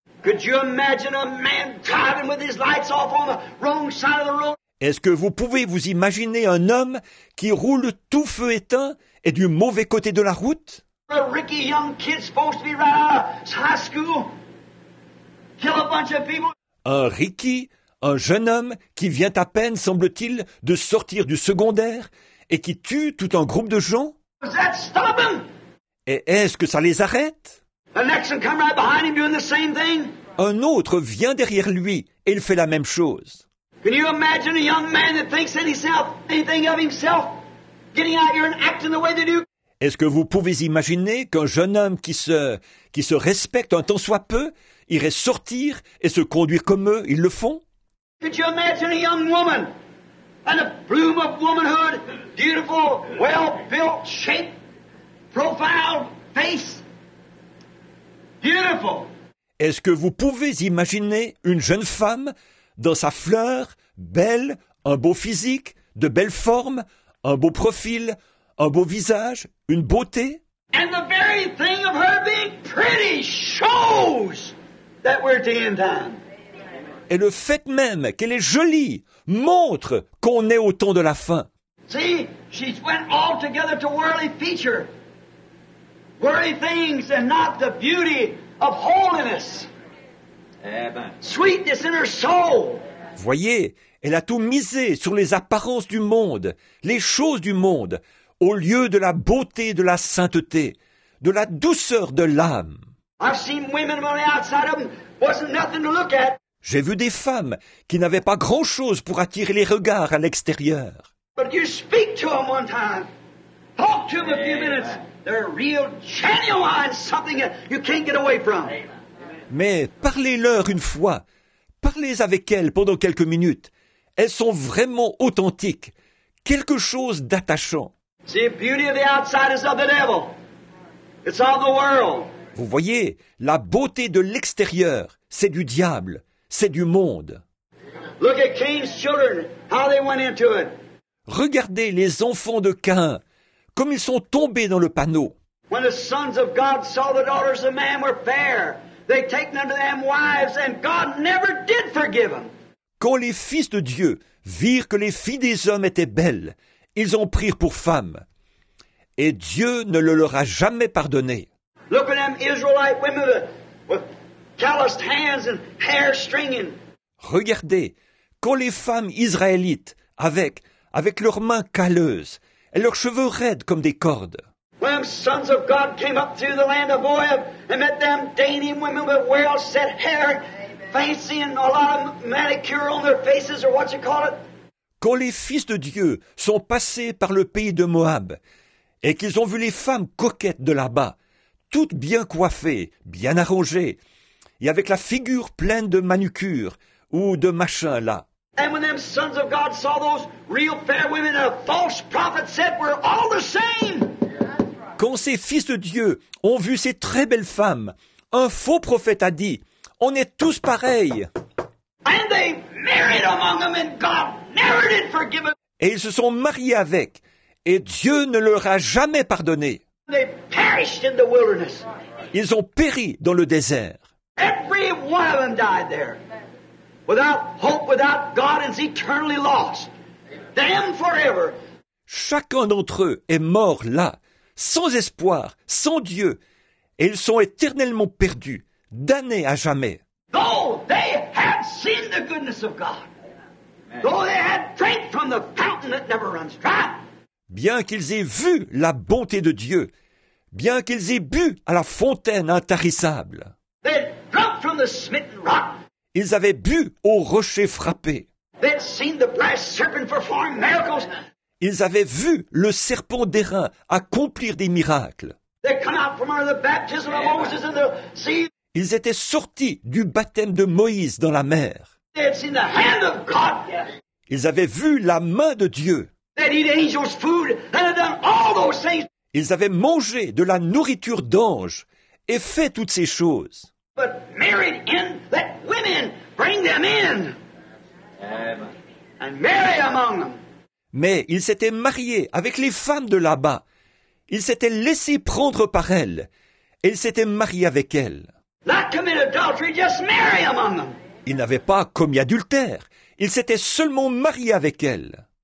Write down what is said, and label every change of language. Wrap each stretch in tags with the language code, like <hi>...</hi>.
<en>Could you imagine a man driving with his lights off on the wrong side of the road?</en> <fr>Est-ce que vous pouvez vous imaginer un homme qui roule tout feu éteint et du mauvais côté de la route?</fr> <en>A ricky young kid supposed to be right out of high school, kill a bunch of people.</en> <fr>Un ricky, un jeune homme qui vient à peine, semble-t-il, de sortir du secondaire et qui tue tout un groupe de gens?</fr> <en>Does that stop him?</en> <fr>Et est-ce que ça les arrête?</fr> <en>The next one come right behind him doing the same thing.</en> <fr>Un autre vient derrière lui et il fait la même chose.</fr> <en>Can you imagine a young man that thinks anything of himself getting out here and acting the way they do?</en> <fr>Est-ce que vous pouvez imaginer qu'un jeune homme qui se respecte un tant soit peu irait sortir et se conduire comme eux, ils le font?</fr> <en>Could you imagine a young woman in the bloom of womanhood, beautiful, well-built, shaped, profile, face? Beautiful.</en> <fr>Est-ce que vous pouvez imaginer une jeune femme dans sa fleur, belle, un beau physique, de belles formes, un beau profil, un beau visage, une beauté?</fr> <en>And the very thing of her being pretty shows that we're at the end time.</en> <fr>Et le fait même qu'elle est jolie montre qu'on est au temps de la fin.</fr> <en>See, she's went all together to worldly feature. Worldly things and not the beauty of holiness. Amen. Sweetness in her soul.</en> <fr>Voyez, elle a tout misé sur les apparences du monde, les choses du monde, au lieu de la beauté de la sainteté, de la douceur de l'âme.</fr> <en>I've seen women on the outside of them, wasn't nothing to look at.</en> <fr>J'ai vu des femmes qui n'avaient pas grand-chose pour attirer les regards à l'extérieur.</fr> <en>But you speak to them one time. Talk to them a few minutes. They're real genuine, something you can't get away from.</en> <fr>Mais parlez-leur une fois. Parlez avec elles pendant quelques minutes. Elles sont vraiment authentiques. Quelque chose d'attachant.</fr> <en>See, the beauty of the outside is of the devil. It's of the world.</en> <fr>Vous voyez, la beauté de l'extérieur, c'est du diable. C'est du monde.</fr> <en>Look at Cain's children, how they went into it.</en> <fr>Regardez les enfants de Cain, comme ils sont tombés dans le panneau.</fr> <en>When the sons of God saw the daughters of man were fair, they taken unto them wives, and God never did forgive them.</en> <fr>Quand les fils de Dieu virent que les filles des hommes étaient belles, ils en prirent pour femmes. Et Dieu ne le leur a jamais pardonné.</fr> <en>Look at them Israelite women with calloused hands and hair stringing.</en> <fr>Regardez, quand les femmes israélites, avec leurs mains calleuses et leurs cheveux raides comme des cordes.</fr> <en>When the sons of God came up through the land of Moab and met them dainty women with well-set hair, fancy and a lot of manicure on their faces or what you call it.</en> <fr>Quand les fils de Dieu sont passés par le pays de Moab et qu'ils ont vu les femmes coquettes de là-bas, toutes bien coiffées, bien arrangées, et avec la figure pleine de manucure ou de machin là.</fr> <en>And when them sons of God saw those real fair women, a false prophet said, we're all the same.</en> <fr>Quand ces fils de Dieu ont vu ces très belles femmes, un faux prophète a dit, on est tous pareils.</fr> <en>And they married among them and God never did forgive them.</en> <fr>Et ils se sont mariés avec, et Dieu ne leur a jamais pardonné.</fr> <en>They perished in the wilderness.</en> <fr>Ils ont péri dans le désert.</fr> <en>Every one of them died there. Without hope, without God, is eternally lost. Damned forever.</en> <fr>Chacun d'entre eux est mort là, sans espoir, sans Dieu, et ils sont éternellement perdus, damnés à jamais.</fr> <en>Though they had seen the goodness of God, though they had drank from the fountain that never runs dry.</en> <fr>Bien qu'ils aient vu la bonté de Dieu, bien qu'ils aient bu à la fontaine intarissable,</fr> <en>they had drunk from the smitten rock.</en> <fr>Ils avaient bu au rocher frappé.</fr> <en>They had seen the brass serpent perform miracles.</en> <fr>Ils avaient vu le serpent d'airain accomplir des miracles.</fr> <en>They come out from under the baptism of Moses in the sea.</en> <fr>Ils étaient sortis du baptême de Moïse dans la mer.</fr> <en>They had seen the hand of God.</en> <fr>Ils avaient vu la main de Dieu.</fr> <en>They'd eat angels' food and had done all those things.</en> <fr>Ils avaient mangé de la nourriture d'anges et fait toutes ces choses.</fr> <en>But married in, let women bring them in. And marry among them.</en> <fr>Mais ils s'étaient mariés avec les femmes de là-bas. Ils s'étaient laissés prendre par elles. Et ils s'étaient mariés avec elles.</fr> <en>Not commit adultery, just marry among them.</en> <fr>Ils n'avaient pas commis adultère. Ils s'étaient seulement mariés avec elles.</fr>